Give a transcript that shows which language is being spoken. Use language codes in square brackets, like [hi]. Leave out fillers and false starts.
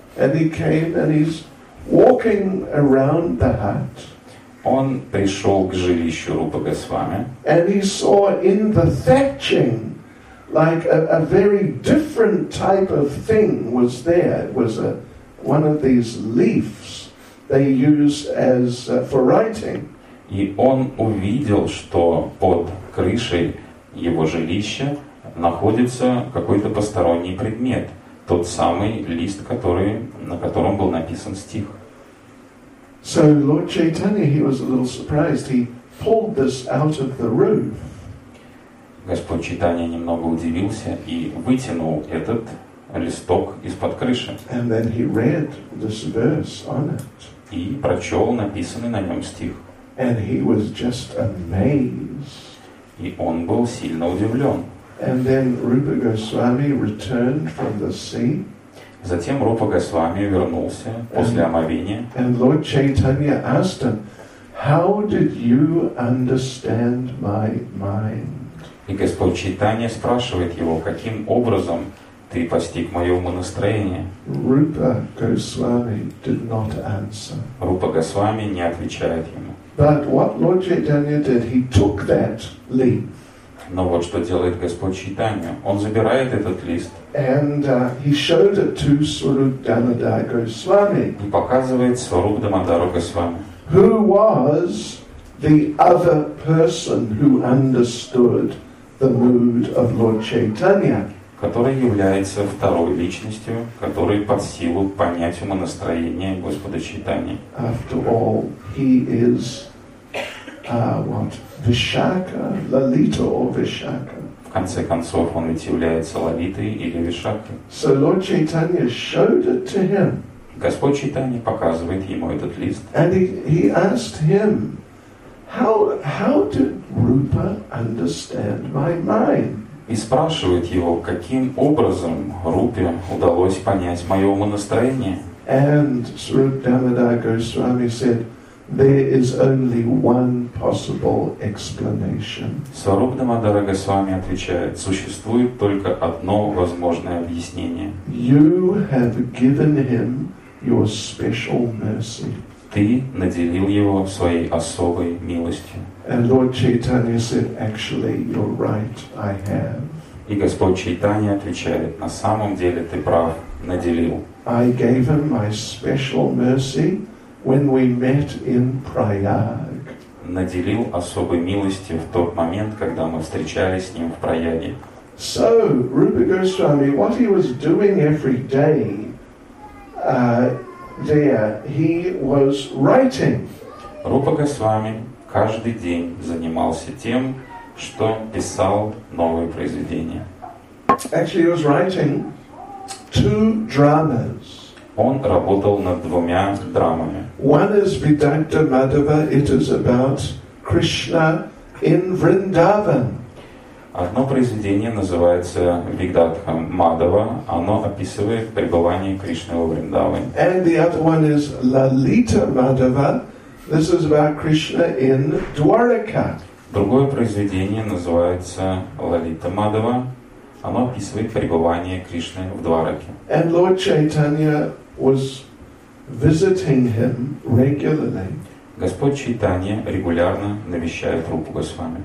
[en] And he came and he's walking around the hut. [ru] Он пришел к жилищу Рупы Госвами. [en] And he saw in the thatching, like a very different type of thing was there. It was one of these leaves they use as for writing. [ru] И он увидел, что под крышей его жилища находится какой-то посторонний предмет, тот самый лист, на котором был написан стих. [en] So Lord Chaitanya, he was a little surprised. He pulled this out of the roof. [ru] Господь Чайтанья немного удивился и вытянул этот листок из-под крыши. [en] And then he read this verse on it. [ru] И прочел написанный на нем стих. [en] And he was just amazed. [ru] И он был сильно удивлен. [en] And then Rupa Goswami returned from the sea. [ru] Затем Рупа Госвами вернулся после омовения. [en] And Lord Chaitanya asked him, "How did you understand my mind?" [ru] И Господь Чайтанья спрашивает его, каким образом ты постиг мое умонастроение. [en] Rupa Goswami did not answer. [ru] Рупа Госвами не отвечает ему. [en] But what Lord Chaitanya did, he took that leaf. [ru] Но вот что делает Господь Чайтанья. Он забирает этот лист. [en] And he showed it to Swarup Damodara Goswami. [ru] И показывает Сварупа Дамодару Госвами. [en] Who was the other person who understood the mood of Lord Chaitanya? [ru] Который является второй личностью, который под силу понять умонастроение Господа Чайтанья. [en] After all, he is what? [ru] Вишака, Лалита [en] or [ru] Вишака. В конце концов, он ведь является Лалитой или Вишакой. [en] So Lord Chaitanya showed it to him. [ru] Господь Чайтанья показывает ему этот лист. [en] And he asked him, how did Rupa understand my mind? [ru] И спрашивает его, каким образом Рупе удалось понять мое умонастроение. [en] And Swarup Damodara Goswami said, there is only one possible explanation. [ru] Сварупа Дамодара Госвами отвечает, существует только одно возможное объяснение. [en] You have given him your special mercy. [ru] Ты наделил его своей особой милостью. [en] And Lord Chaitanya said, actually, you're right, I have. [ru] И Господь Чайтанья отвечает: на самом деле ты прав, наделил. [en] I gave him my special mercy when we met in Prayag. [ru] Наделил особой милостью в тот момент, когда мы встречались с ним в Праяге. [en] So, Rupa Goswami, what he was doing every day there, he was writing. [ru] Рупа Госвами каждый день занимался тем, что писал новые произведения. [en] Actually, he was writing two dramas. [ru] Он работал над двумя драмами. [en] One is Vidagdha Madhava, it is about Krishna in Vrindavan. [ru] Одно произведение называется Vidagdha Madhava, оно описывает пребывание Кришны во Вриндаване. [en] And the other one is Lalita Madhava, this is about Krishna in Dwarka. [ru] Другое произведение называется Лалита Мадхава. Оно описывает пребывание Кришны в Двараке. [en] And Lord Chaitanya was visiting him regularly. [ru] Господь Чайтанья регулярно навещает Рупу Госвами.